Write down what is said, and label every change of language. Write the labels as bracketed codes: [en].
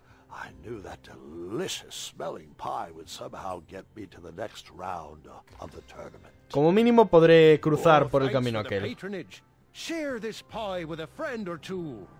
[en] I knew that delicious smelling pie would somehow get me to the next round of the tournament. [es] Como mínimo podré cruzar por el camino aquel. [en] Share this pie with a friend or two.